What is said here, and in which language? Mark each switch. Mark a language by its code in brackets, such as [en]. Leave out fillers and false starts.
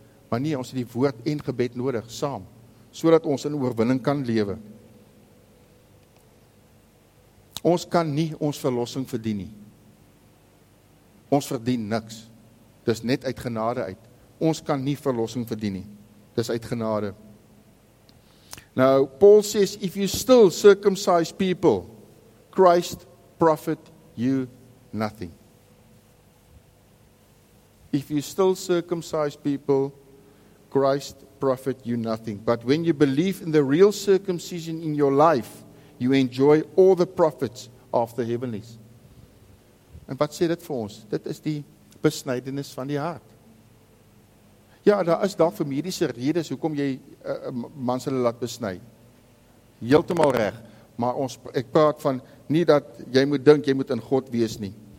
[af] Maar nie, ons het die woord en gebed nodig, saam. Sodat ons in oorwinning kan lewe. Ons kan nie ons verlossing verdien nie. Ons verdien niks. Dis net uit genade uit. Ons kan nie verlossing verdien nie. Dis uit genade. [en] Nou, Paul says, if you still circumcise people, Christ profit you nothing. If you still circumcise people, Christ profit you nothing. But when you believe in the real circumcision in your life, you enjoy all the profits of the heavenlies. [af] En wat sê dit vir ons? Dit is die besnydenis van die hart. Ja, daar is daar vir mediese redes hoekom jy mans hulle laat besny. heeltemal reg, maar ons ek praat van nie dat jy moet dink jy moet in God wees nie.